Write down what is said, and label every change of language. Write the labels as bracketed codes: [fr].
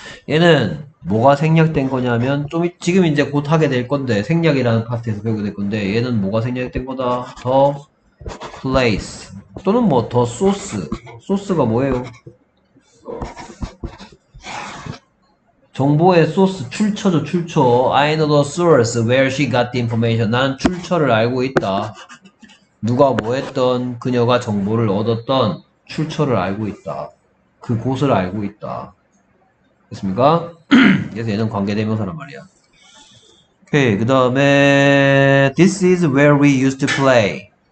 [ko] 얘는 뭐가 생략된 거냐면 좀 지금 이제 곧 하게 될 건데 생략이라는 파트에서 배우게 될 건데 얘는 뭐가 생략된 거다? [en] The place [ko] 또는 뭐 [en] the source. [ko] 소스가 뭐예요? 정보의 소스, 출처죠, 출처. [en] I know the source where she got the information. [ko] 나는 출처를 알고 있다. 누가 뭐 했던 그녀가 정보를 얻었던 출처를 알고 있다. 그곳을 알고 있다. 됐습니까? 그래서 얘는 관계대명사란 말이야. 오케이, 그 다음에 [en] This is where we used to play.